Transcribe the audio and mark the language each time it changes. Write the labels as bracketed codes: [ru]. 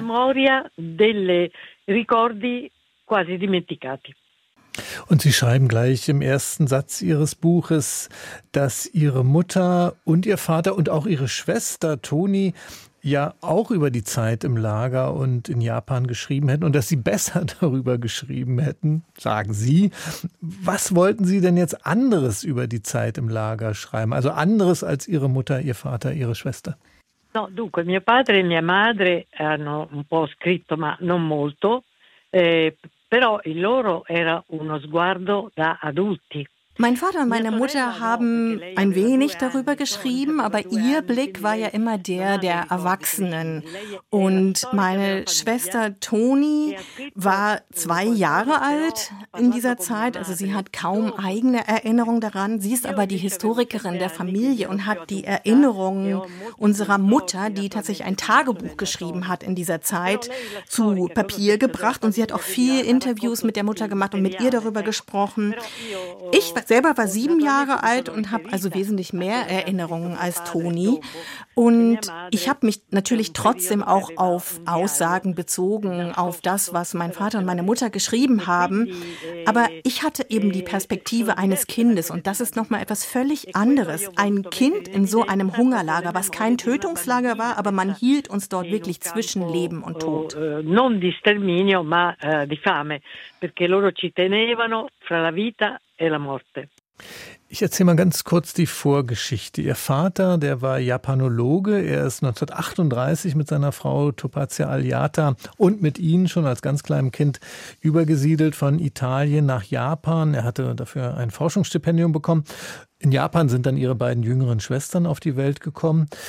[de] Und Sie schreiben gleich im ersten Satz Ihres Buches, dass Ihre Mutter und Ihr Vater und auch Ihre Schwester Toni ja auch über die Zeit im Lager und in Japan geschrieben hätten und dass Sie besser darüber geschrieben hätten, sagen Sie. Was wollten Sie denn jetzt anderes über die Zeit im Lager schreiben? Also anderes als Ihre Mutter, Ihr Vater, Ihre Schwester? [it] No, dunque, mio padre e mia madre hanno un po' scritto, ma non molto. Però il loro era uno sguardo da adulti. [de] Mein Vater und meine Mutter haben ein wenig darüber geschrieben, aber ihr Blick war ja immer der der Erwachsenen. Und meine Schwester Toni war 2 Jahre alt in dieser Zeit, also sie hat kaum eigene Erinnerung daran. Sie ist aber die Historikerin der Familie und hat die Erinnerungen unserer Mutter, die tatsächlich ein Tagebuch geschrieben hat in dieser Zeit, zu Papier gebracht. Und sie hat auch viele Interviews mit der Mutter gemacht und mit ihr darüber gesprochen. Ich selber war 7 Jahre alt und habe also wesentlich mehr Erinnerungen als Toni. Und ich habe mich natürlich trotzdem auch auf Aussagen bezogen, auf das, was mein Vater und meine Mutter geschrieben haben. Aber ich hatte eben die Perspektive eines Kindes und das ist nochmal etwas völlig anderes. Ein Kind in so einem Hungerlager, was kein Tötungslager war, aber man hielt uns dort wirklich zwischen Leben und Tod. [it] Non di sterminio, ma di fame, perché loro ci tenevano fra la vita. [de] Ich erzähle mal ganz kurz die Vorgeschichte. Ihr Vater, der war Japanologe, er ist 1938 mit seiner Frau Topazia Aliata und mit ihnen schon als ganz kleinem Kind übergesiedelt von Italien nach Japan. Er hatte dafür ein Forschungsstipendium bekommen. In Japan sind dann ihre beiden jüngeren Schwestern auf die Welt gekommen.